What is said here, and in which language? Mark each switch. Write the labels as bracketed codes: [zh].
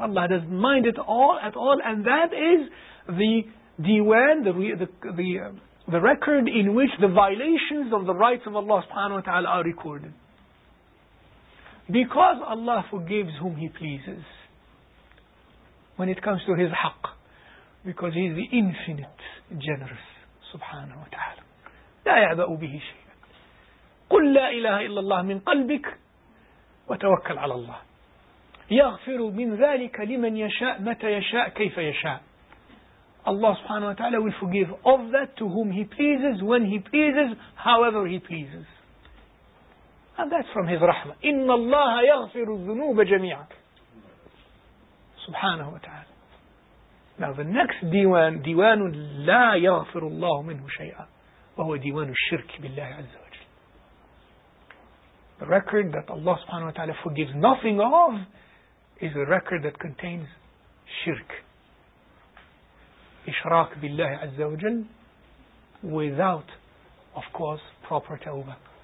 [en] Allah doesn't mind it all at all, and that is the Diwan, the record in which the violations of the rights of Allah subhanahu wa ta'ala are recorded. Because Allah forgives whom He pleases when it comes to His haqq, because He is the infinite generous subhanahu wa ta'ala. [ar] لا يعبأ به شيئا. قل لا إله إلا الله من قلبك وتوكل على الله يغفر من ذلك لمن يشاء متى يشاء كيف يشاء. [en] Allah subhanahu wa ta'ala will forgive of that to whom He pleases, when He pleases, however He pleases. And that's from His rahmah. [ar] إِنَّ اللَّهَ يَغْفِرُ الذُّنُوبَ جَمِيعًا subhanahu wa ta'ala. [en] Now the next diwan, diwan [ar] لا يغفر الله منه شيئا وهو diwan الشرك بالله عز وجل. [en] The record that Allah subhanahu wa ta'ala forgives nothing of is a record that contains shirk. [ar] إشراك بالله عز وجل [en] without, of course, proper tawbah.